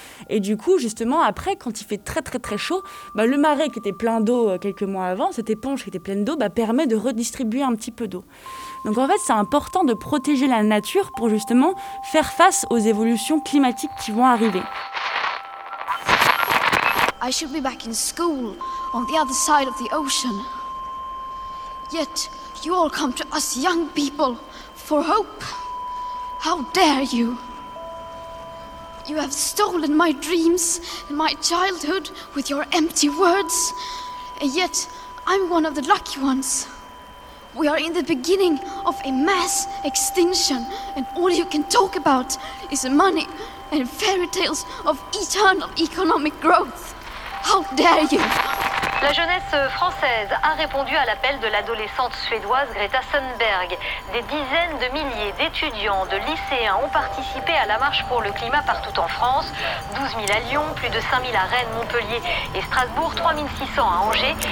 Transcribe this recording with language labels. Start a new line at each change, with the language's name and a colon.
French: Et du coup, justement, après, quand il fait très très très chaud, le marais qui était plein d'eau quelques mois avant, cette éponge qui était pleine d'eau, permet de redistribuer un petit peu d'eau. Donc en fait, c'est important de protéger la nature pour justement faire face aux évolutions climatiques qui vont arriver.
English: I should be back in school on the other side of the ocean. Yet, you all come to us young people. For hope? How dare you? You have stolen my dreams and my childhood with your empty words. And yet, I'm one of the lucky ones. We are in the beginning of a mass extinction, and all you can talk about is money and fairy tales of eternal economic growth. How dare you?
French: La jeunesse française a répondu à l'appel de l'adolescente suédoise Greta Thunberg. Des dizaines de milliers d'étudiants, de lycéens ont participé à la marche pour le climat partout en France. 12 000 à Lyon, plus de 5 000 à Rennes, Montpellier et Strasbourg, 3 600 à Angers.